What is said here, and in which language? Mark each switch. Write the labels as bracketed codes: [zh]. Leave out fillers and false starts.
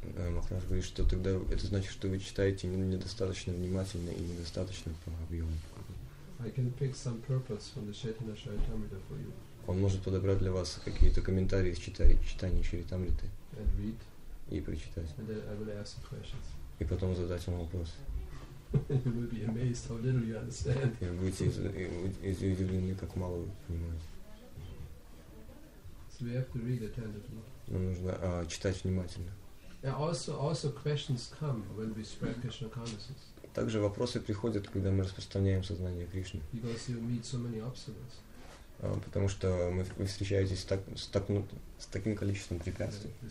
[ru] Махарадж говорит, что тогда это значит, что вы читаете недостаточно внимательно и недостаточно по объему. [en] I can pick some purpose from the Chaitanya Charitamrita for you. [ru] Он может подобрать для вас какие-то комментарии из читания Чаритамриты [en] and read, [ru] и прочитать. [en] And then I will ask some questions. [ru] И потом задать ему вопрос. [en] You will be amazed how little you understand. [ru] И будете удивлены, как мало вы понимаете. [en] So we have to read attentively. [ru] Нам нужно читать внимательно. [en] And also questions come when we spread Krishna consciousness. [ru] Также вопросы приходят, когда мы распространяем сознание Кришны. [en] Because you meet so many obstacles. [ru] Потому что вы встречаетесь с таким количеством препятствий.